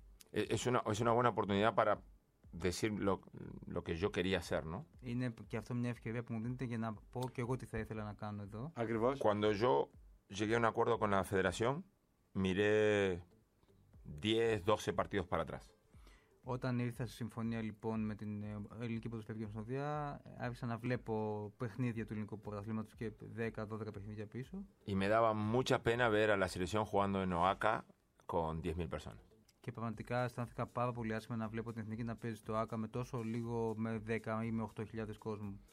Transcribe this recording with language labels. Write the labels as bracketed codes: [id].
[es] Es una buena oportunidad para. Decir lo que yo quería hacer, ¿no? [el] Είναι και αυτό μια ευκαιρία που μου δίνεται για να πω και εγώ τι θα ήθελα να κάνω εδώ. Ακριβώς. [es] Cuando yo llegué a un acuerdo con la federación, miré 10, 12 partidos para atrás. [el] Όταν ήρθα στη συμφωνία λοιπόν με την Ελληνική Ποδοσφαιρική Ομοσπονδία, άρχισα να βλέπω παιχνίδια του ελληνικού πρωταθλήματος και 10-12 παιχνίδια πίσω. [es] Y me daba mucha pena ver a la selección jugando en OACA con 10.000 personas. [el] Και πραγματικά αισθάνθηκα πάρα πολύ άσχημα να βλέπω την Εθνική να παίζει το ΆΚΑ με τόσο λίγο, με 10 ή με 8.000 κόσμου.